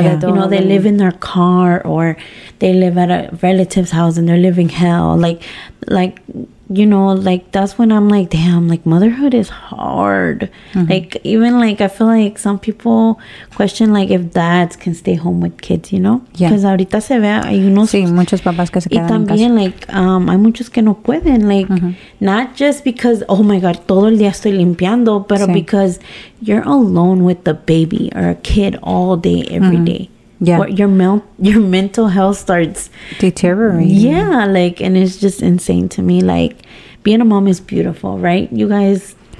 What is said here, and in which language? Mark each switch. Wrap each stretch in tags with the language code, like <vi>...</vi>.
<en>they don't, you know, they live in their car, or they live at a relative's house, and they're living hell. Like you know, like, that's when I'm like, damn, like, motherhood is hard. Mm-hmm. Like, even, like, I feel like some people question, like, if dads can stay home with kids, you know? Yeah. Because</en> <es>ahorita se ve, hay unos... Sí, muchos papás que se quedan en casa. Y también, like, hay muchos que no pueden, like, mm-hmm.</es> <en>not just because, oh my God,</en> <es>todo el día estoy limpiando, pero sí.</es> <en>Because you're alone with the baby or a kid all day, every mm-hmm. day. Yeah. Or your mental health starts deteriorating. Yeah, like, and it's just insane to me. Like, being a mom is beautiful, right, you guys?</en>